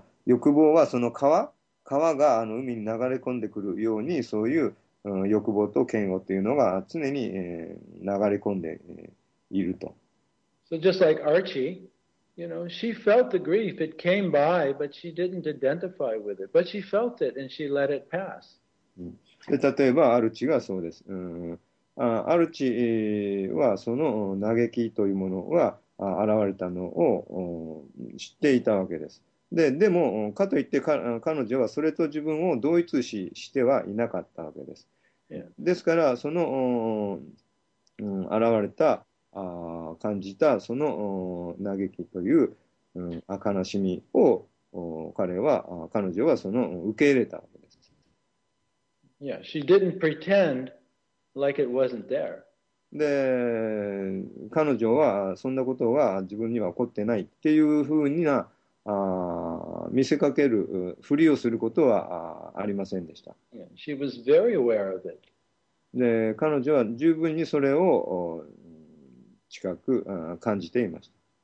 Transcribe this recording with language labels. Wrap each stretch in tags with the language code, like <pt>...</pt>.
<ja>欲望はその川、川が海に流れ込んでくるようにそういう欲望と嫌悪というのが常に流れ込んでいると。</ja> <en>So just like Archie, you know, she felt the grief. It came by, but she didn't identify with it. But she felt it and she let it pass.</en> <ja>で例えばアルチがそうです。アルチはその嘆きというものが現れたのを知っていたわけです。でもかといって彼女はそれと自分を同一視してはいなかったわけです。ですからその現れた感じたその嘆きという悲しみを彼は彼女はその受け入れたわけです。</ja> <en>Yeah, she didn't pretend like it wasn't there.</en> <ja>で、彼女はそんなことは自分には起こってないっていうふうな見せかけるふりをすることはありませんでした。</ja> <en>Yeah, she was very aware of it.</en> <ja>で、彼女は十分にそれを近く感じていました。</ja>